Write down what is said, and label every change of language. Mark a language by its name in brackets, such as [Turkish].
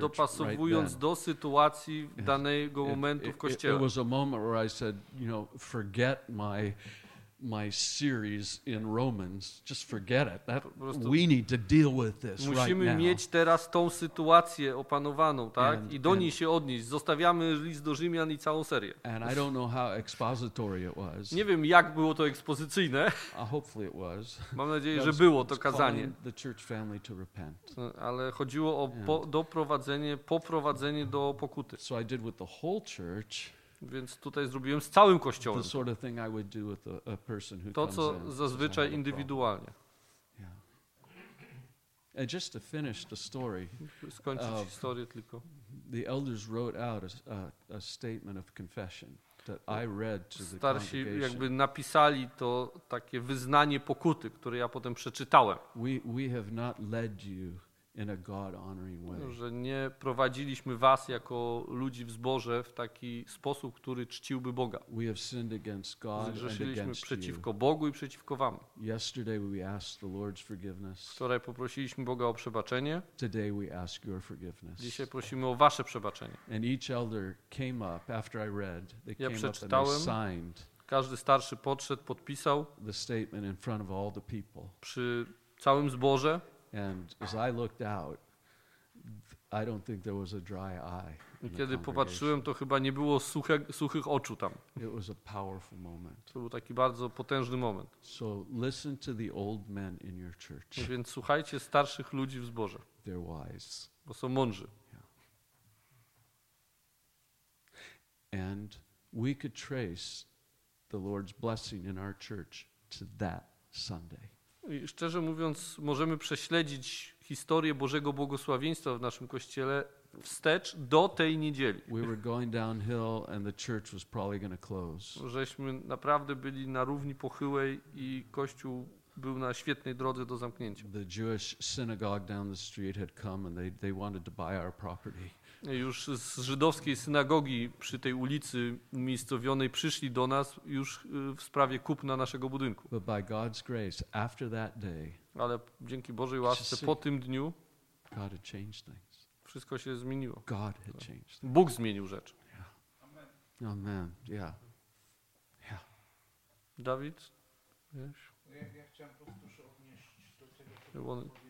[Polish] Dopasowując do sytuacji danego momentu w kościele. [English] It was a moment where I said, you know, forget my series in Romans, just forget it. That, we need to deal with this [Polish] musimy [English] right now. [Polish] Mieć teraz tą sytuację opanowaną, tak? I do niej się odnieść. Zostawiamy list do Rzymian i całą serię. [English] And I don't know how expository it was. [Polish] Nie wiem, jak było to ekspozycyjne. [English] Hopefully it was. [Polish] Mam nadzieję, że było to kazanie. [English] The church family to repent. [Polish] Ale chodziło o poprowadzenie do pokuty. [English] So I did with the whole church. [Polish] Więc tutaj zrobiłem z całym kościołem. [English] The sort of thing I would do with a person who [Polish] to, co zazwyczaj indywidualnie. [English] Yeah. And just to finish the story, [Polish] skończyć historię tylko. [English] The elders wrote out a statement of confession that I read to the congregation. [Polish] Starsi jakby napisali to takie wyznanie pokuty, które ja potem przeczytałem. [English] We have not led you in a God-honoring way. [Polish] Że nie prowadziliśmy was jako ludzi w zborze w taki sposób, który czciłby Boga. [English] We have sinned against God and against you. [Polish] Przeciwko Bogu i przeciwko wam. [English] Yesterday we asked the Lord's forgiveness. [Polish] Wczoraj poprosiliśmy Boga o przebaczenie. [English] Today we ask your forgiveness. [Polish] Dzisiaj prosimy o wasze przebaczenie. [English] And each elder came up after I read. They [Polish] ja [English] came up and they signed. [Polish] Każdy starszy podszedł, podpisał [English] the statement in front of all the people. [Polish] Przy całym zborze. [English] And as I looked out, I don't think there was a dry eye. [Polish] I kiedy popatrzyłem, to chyba nie było suchych oczu tam. [English] It was a powerful moment. [Polish] To był taki bardzo potężny moment. [English] So listen to the old men in your church. [Polish] Więc słuchajcie starszych ludzi w zborze. [English] They're wise. [Polish] Bo są mądrzy. [English] And we could trace the Lord's blessing in our church to that Sunday. [Polish] I szczerze mówiąc, możemy prześledzić historię Bożego błogosławieństwa w naszym kościele wstecz do tej niedzieli. [English] We were going downhill and the church was probably going to close. [Polish] Żeśmy naprawdę byli na równi pochyłej i kościół był na świetnej drodze do zamknięcia. [English] The Jewish synagogue down the street had come and they wanted to buy our property. [Polish] Już z żydowskiej synagogi przy tej ulicy umiejscowionej przyszli do nas już w sprawie kupna naszego budynku. [English] But by God's grace, after that day, [Polish] ale dzięki Bożej łasce po tym dniu [English] God had changed things. [Polish] Wszystko się zmieniło. [English] God had changed [Polish] things. Bóg zmienił rzeczy. [English] Yeah. Amen. Amen. Yeah. Yeah. [Polish] Dawid? Wiesz? Ja chciałem po prostu się odnieść do tego,